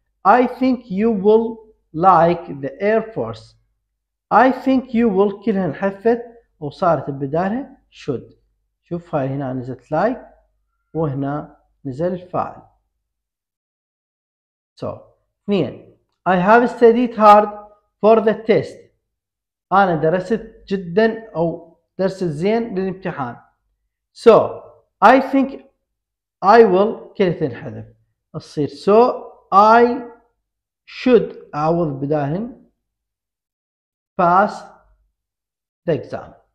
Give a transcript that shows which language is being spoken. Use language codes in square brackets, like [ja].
[en] I think you will like the air force. I think you will, [ar] كلها انحذفت وصارت بدالها [en] should. [ar] شوف هاي هنا نزلت like وهنا نزل الفاعل. [en] So 2 I have studied hard for the test. [ar] أنا درست جدا أو درست زين للامتحان. [en] So I think I will, [ar] كلها تنحذف. تصير [en] so I should, [ar] أعوض بداهن, [en] pass the exam.